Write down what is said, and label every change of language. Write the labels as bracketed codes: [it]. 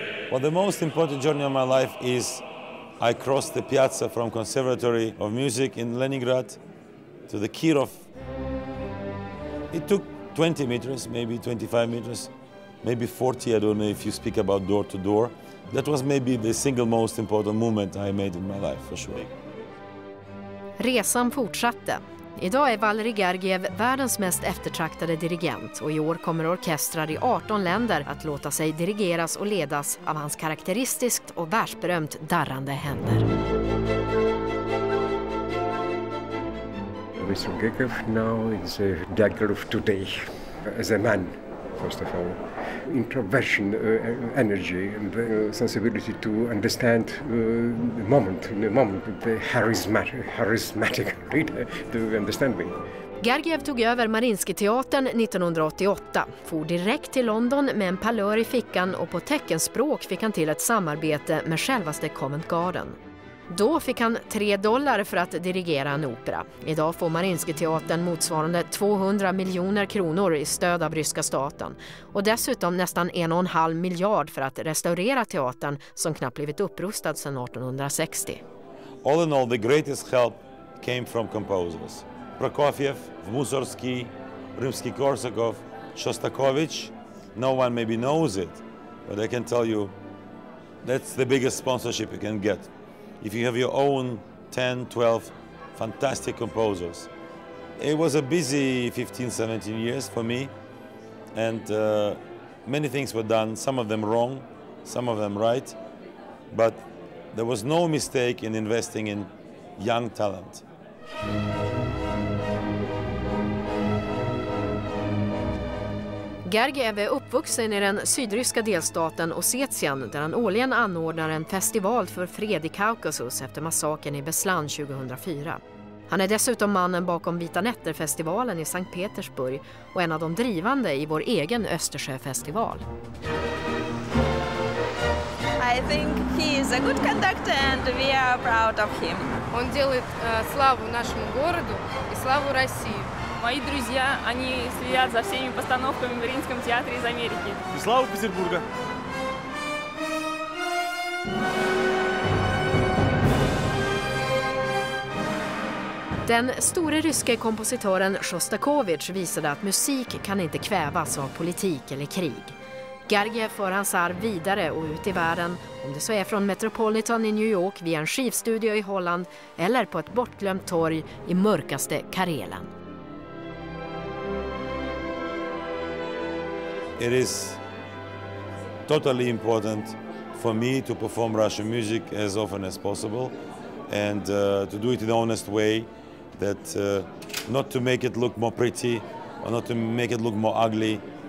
[en] Well, the most important journey of my life is I crossed the piazza from Conservatory of Music in Leningrad to the Kirov. It took 20 meters, maybe 25 meters, maybe 40, I don't know if you speak about door to door. That was maybe the single most important movement I made in my life, for sure. [sv] Resan fortsatte. Idag är Valery Gergiev världens mest eftertraktade dirigent och i år kommer orkestrar i 18 länder att låta sig dirigeras och ledas av hans karaktäristiskt och världsberömt darrande händer. [en] Mr. Gergiev now is a dagger of today as a man, first of all. Introversion, energy, and sensibility to understand the moment, the charismatic leader to understand me. [sv] Gergiev tog över Mariinsky-teatern 1988, for direkt till London med en palör i fickan och på teckenspråk fick han till ett samarbete med självaste Covent Garden. Då fick han $3 för att dirigera en opera. Idag får Mariinsky-teatern motsvarande 200 miljoner kronor i stöd av ryska staten. Och dessutom nästan 1,5 miljard för att restaurera teatern som knappt blivit upprustad sedan 1860. [en] All in all, the greatest help came from composers. Prokofiev, Mussorgsky, Rimsky-Korsakov, Shostakovich. No one maybe knows it, but I can tell you that's the biggest sponsorship you can get. If you have your own 10, 12 fantastic composers. It was a busy 15, 17 years for me, and many things were done, some of them wrong, some of them right, but there was no mistake in investing in young talent. [sv] Gergiev är uppvuxen i den sydryska delstaten Ossetien där han årligen anordnar en festival för fred i Kaukasus efter massakern i Beslan 2004. Han är dessutom mannen bakom Vita nätter-festivalen i Sankt Petersburg och en av de drivande i vår egen Östersjöfestival. [en] I think he is a good conductor and we are proud of him. [ru] Он делает славу нашему городу и славу России. Мои друзья, они следят за всеми постановками в Мариинском театре из Америки. И слава Петербурга! [sv] Den store ryske kompositören Shostakovich visade att musik kan inte kvävas av politik eller krig. Gergiev för hans arv vidare och ut i världen, om det så är från Metropolitan i New York via en skivstudio i Holland eller på ett bortglömt torg i mörkaste Karelen. [en] It is totally important for me to perform Russian music as often as possible and to do it in an honest way, that not to make it look more pretty or not to make it look more ugly.